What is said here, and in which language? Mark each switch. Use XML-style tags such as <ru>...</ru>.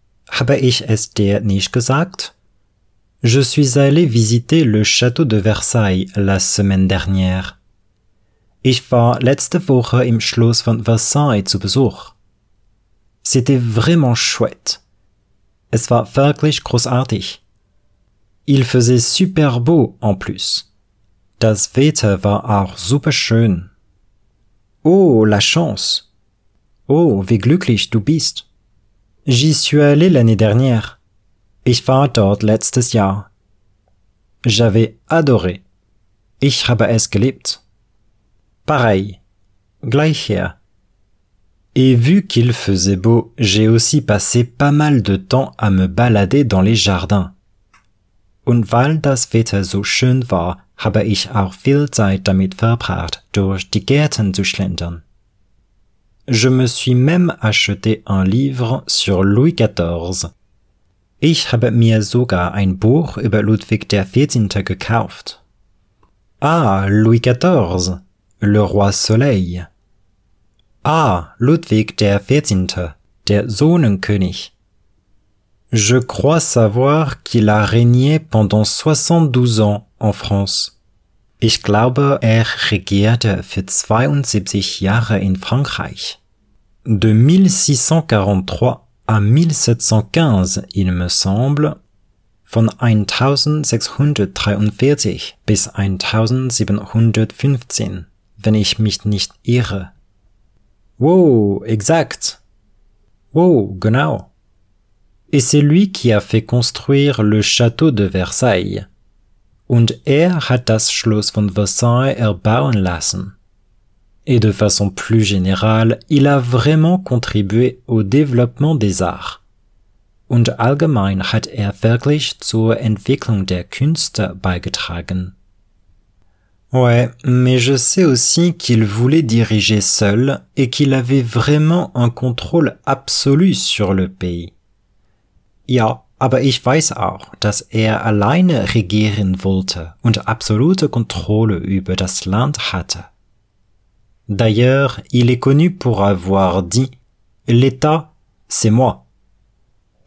<de>Habe ich es dir nicht gesagt?</de> <fr>Je suis allé visiter le château de Versailles la semaine dernière.</fr> <de>Ich war letzte Woche im Schloss von Versailles zu Besuch.</de> <fr>C'était vraiment chouette.</fr> <de>Es war wirklich großartig.</de> <fr>Il faisait super beau en plus.</fr> <de>Das Wetter war auch super schön.</de> <fr>Oh, la chance.</fr> <de>Oh, wie glücklich du bist.</de> <fr>J'y suis allé l'année dernière.</fr> <de>Ich war dort letztes Jahr.</de> <fr>J'avais adoré.</fr> <de>Ich habe es geliebt.</de> <fr>Pareil.</fr> <de>Gleich hier.</de> <fr>Et vu qu'il faisait beau, j'ai aussi passé pas mal de temps à me balader dans les jardins.</fr> <de>Und weil das Wetter so schön war, habe ich auch viel Zeit damit verbracht, durch die Gärten zu schlendern.</de> <fr>Je me suis même acheté un livre sur Louis XIV.</fr> <de>Ich habe mir sogar ein Buch über Ludwig der XIV. Gekauft.</de> <fr>Ah, Louis XIV, le Roi Soleil.</fr> <de>Ah, Ludwig der XIV, der Sonnenkönig.</de> <fr>Je crois savoir qu'il a régné pendant 72 ans en France.</fr> <de>Ich glaube, er regierte für 72 Jahre in Frankreich.</de> <fr>De 1643 à 1715, il me semble,</fr> <de>von 1643 bis 1715, wenn ich mich nicht irre.</de> <fr>Wow, exact.</fr> <de>Wow, genau.</de> <fr>Et c'est lui qui a fait construire le château de Versailles.</fr> <de>Und er hat das Schloss von Versailles erbauen lassen.</de> <fr>Et de façon plus générale, il a vraiment contribué au développement des arts.</fr> <de>Und allgemein hat wirklich zur Entwicklung der Künste beigetragen.</de> <fr>Ouais, mais je sais aussi qu'il voulait diriger seul et qu'il avait vraiment un contrôle absolu sur le pays.</fr> <de>Ja, Aber ich weiß auch, dass er alleine regieren wollte und absolute Kontrolle über das Land hatte.</de> <fr>D'ailleurs, il est connu pour avoir dit « L'État, c'est moi ».</fr>